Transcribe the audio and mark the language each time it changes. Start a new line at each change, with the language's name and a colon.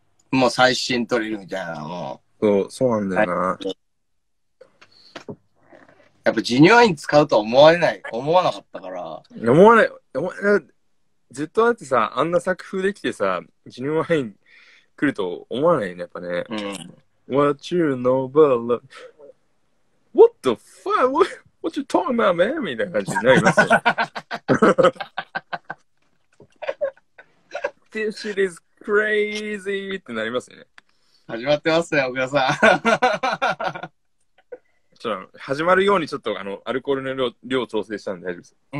Japanese: もう最新トリルみたいなのも。そう、そうなんだよな。やっぱジニュアイン使うとは思われない、思わなかったから。思わない、思わない。ずっとだってさ、あんな作風できてさ、ジニュアイン来ると思わないね、やっぱね。うん、
English: What you know about love?What the fuck?What you talking about, man?
Japanese: みたいな感じになりますよ。
English: This is crazy
Japanese: ってなりますね。始まってますね、奥田さん。ちょっと始まるようにちょっとあのアルコールの 量調整したんで大丈夫です。